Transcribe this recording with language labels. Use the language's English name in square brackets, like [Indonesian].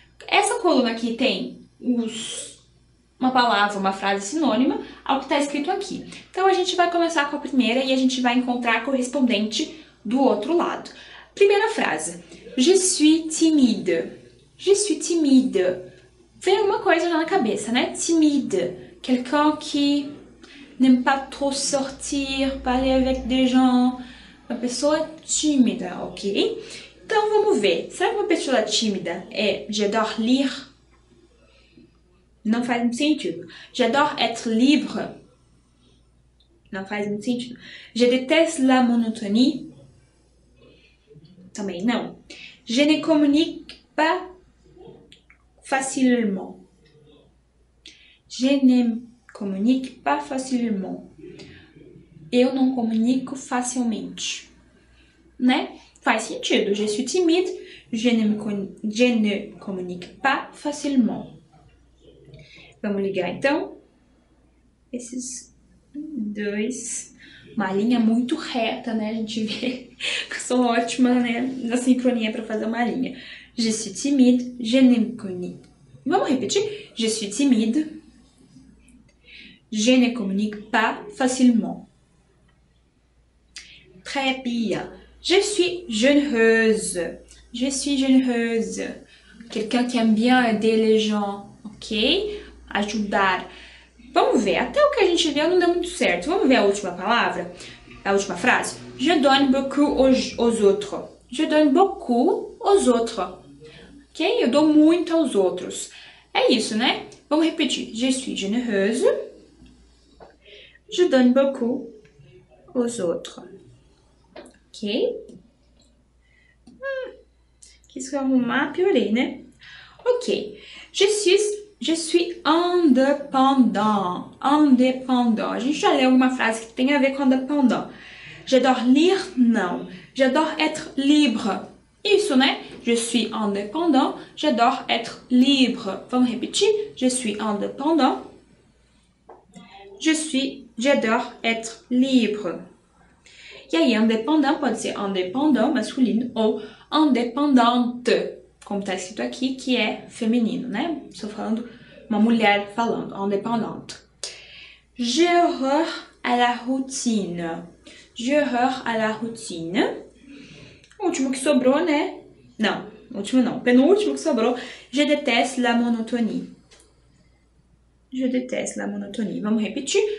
[Portuguese] Essa coluna aqui tem uma palavra, uma frase sinônima ao que está escrito aqui. Então a gente vai começar com a primeira e a gente vai encontrar a correspondente do outro lado. Primeira frase. [French] Je suis timide. Je suis timide. [Portuguese] Vem alguma coisa lá na cabeça, né? [French] Timide. Quelqu'un qui n'aime pas trop sortir, parler avec des gens. [Portuguese] Uma pessoa tímida, ok? Então, vamos ver. Será que uma pessoa tímida é [French] j'adore lire? [Portuguese] Não faz muito sentido. [French] J'adore être libre? [Portuguese] Não faz muito sentido. [French] Je déteste la monotonie? [Portuguese] Também não. [French] Je ne communique pas facilement. Je n'aime Comunique pas facilement. [Portuguese] Eu não comunico facilmente. Né? Faz sentido. [French] Je suis timide. Je ne communique pas facilement. [Portuguese] Vamos ligar, então, esses dois. Uma linha muito reta, né? A gente vê que eu sou ótima, né? Na sincronia para fazer uma linha. [French] Je suis timide. Je ne communique. [Portuguese] Vamos repetir? [French] Je suis timide. Je ne communique pas facilement. Très bien. Je suis généreuse. Je suis généreuse. Quelqu'un qui aime bien aider les gens. [Portuguese] Ok? Ajudar. Vamos ver. Até o que a gente viu não deu muito certo. Vamos ver a última palavra? A última frase? [French] Je donne beaucoup aux autres. Je donne beaucoup aux autres. [Portuguese] Ok? Eu dou muito aos outros. É isso, né? Vamos repetir. [French] Je suis généreuse. Je donne beaucoup aux autres. Ok? Qu'est-ce que vous m'a piorer, né? Ok. Je suis indépendant. [Portuguese] Indépendant. A gente já leu alguma frase que tem a ver com indépendant. [French] J'adore lire? Não. J'adore être libre. [Portuguese] Isso, né? [French] Je suis indépendant. J'adore être libre. [Portuguese] Vamos repetir? [French] Je suis indépendant. J'adore être libre. [Portuguese] E aí, indépendant pode ser indépendant masculino ou indépendante, como está escrito aqui, que é feminino, né? Estou falando uma mulher falando, indépendante. [French] J'ai horreur à la routine. J'ai horreur à la routine. [Portuguese] O último que sobrou, né? Não, o último não. Penúltimo que sobrou. [French] Je déteste la monotonie. Je déteste la monotonie. [Portuguese] Vamos repetir.